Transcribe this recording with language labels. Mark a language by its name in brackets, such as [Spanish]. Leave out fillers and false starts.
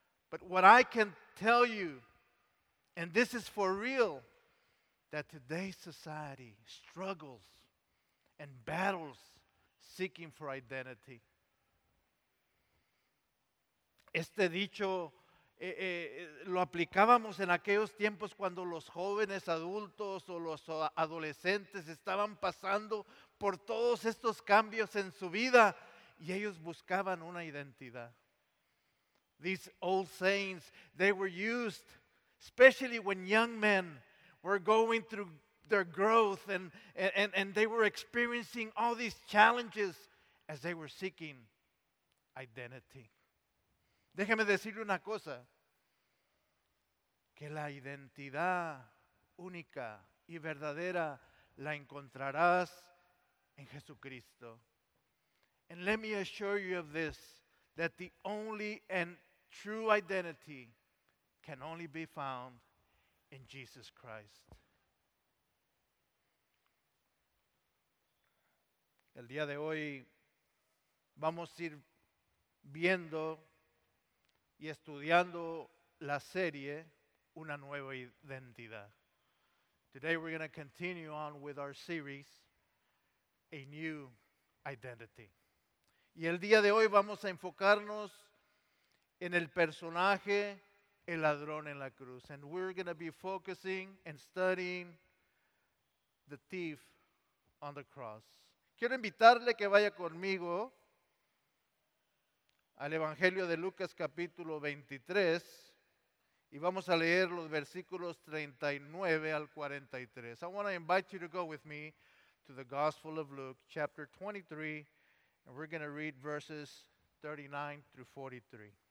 [English] But what I can tell you, and this is for real, that today's society struggles and battles seeking for identity. [Spanish] Este dicho lo aplicábamos en aquellos tiempos cuando los jóvenes adultos o los adolescentes estaban pasando por todos estos cambios en su vida y ellos buscaban una identidad. [English] These old sayings, they were used especially when young men were going through their growth and they were experiencing all these challenges as they were seeking identity. [Spanish] Déjeme decirle una cosa. Que la identidad única y verdadera la encontrarás en Jesucristo. [English] And let me assure you of this, that the only and true identity can only be found in Jesus Christ. [Spanish] El día de hoy vamos a ir viendo y estudiando la serie Una Nueva Identidad. [English] Today we're going to continue on with our series A New Identity. [Spanish] Y el día de hoy vamos a enfocarnos en el personaje El ladrón en la cruz. [English] And we're going to be focusing and studying the thief on the cross. [Spanish] Quiero invitarle que vaya conmigo al Evangelio de Lucas capítulo 23 y vamos a leer los versículos 39 al 43. [English] I want to invite you to go with me to the Gospel of Luke chapter 23 and we're going to read verses 39 through 43.